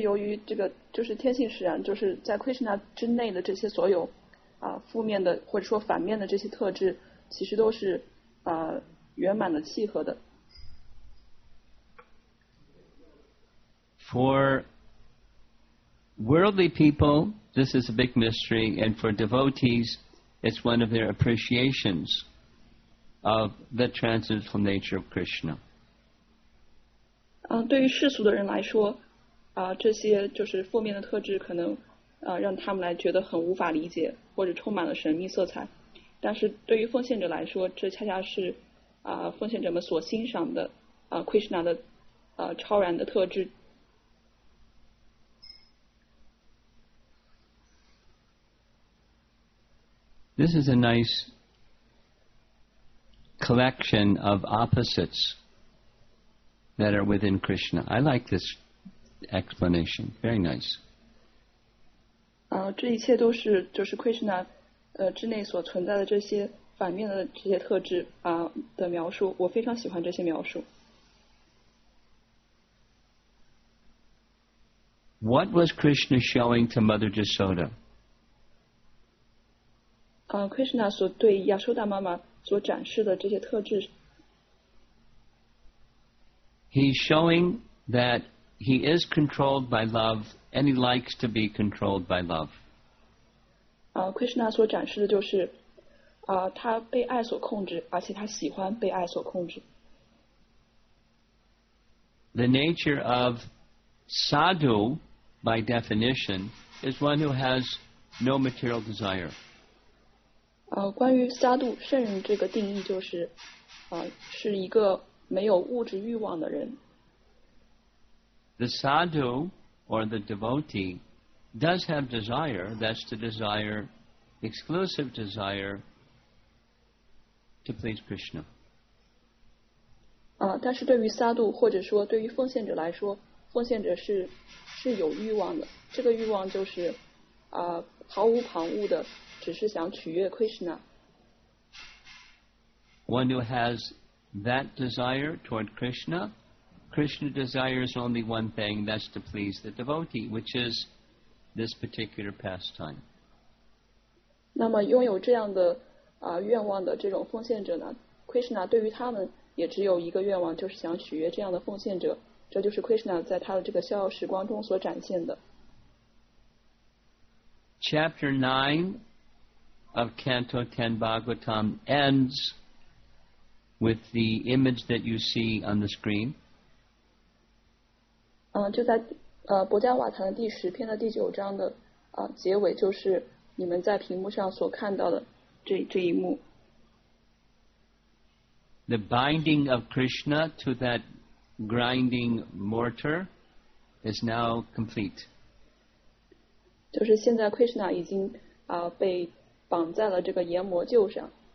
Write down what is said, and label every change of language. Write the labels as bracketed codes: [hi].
[zh] 由于这个就是天性使然就是在 Krishna 之内的这些所有负面的或者说反面的这些特质其实都是圆满的契合的 [en] For worldly people this is a big mystery and for devotees it's one of their appreciations of the transcendental nature of Krishna [zh] 对于世俗的人来说这些就是负面的特质可能让他们来觉得很无法理解或者充满了神秘色彩但是对于奉献者来说这恰恰是奉献者们所欣赏的Krishna 的超然的特质 [en] This is a nice collection of opposites that are within Krishna I like thisexplanation. Very nice. [zh] 这一切都是就是 Krishna 之内所存在的这些反面的这些特质的描述我非常喜欢这些描述 [en] What was Krishna showing to Mother Jasoda? [zh] Krishna 所对亚修达妈妈所展示的这些特质。 [en] He's showing that he is controlled by love and he likes to be controlled by love. [zh] Krishna 所展示的就是他被爱所控制，而且他喜欢被爱所控制。 [en] The nature of sadhu, by definition, is one who has no material desire. [zh] 关于 sadhu, 圣人这个定义就是是一个没有物质欲望的人。 [en] The sadhu, or the devotee, does have desire, that's the desire, exclusive desire,to please Krishna. [zh] 但是对于萨度或者说对于奉献者来说，奉献者是有欲望的，这个欲望就是毫无旁骛的，只是想取悦 Krishna. [en] One who has that desire toward Krishna, Krishna desires only one thing, that's to please the devotee, which is this particular pastime. [zh] 那么拥有这样的愿望的这种奉献者呢， Krishna 对于他们也只有一个愿望，就是想取悦这样的奉献者，这就是 Krishna 在他的这个逍遥时光中所展现的。 [en] Chapter 9 of Canto 10 Bhagavatam ends with the image that you see on the screen. [zh] 就在博迦瓦坛的第十篇的第九章的结尾，就是你们在屏幕上所看到的这一幕。 [en] The binding of Krishna to that grinding mortar is now complete. [zh] 就是现在 Krishna 已经被绑在了这个研磨臼上。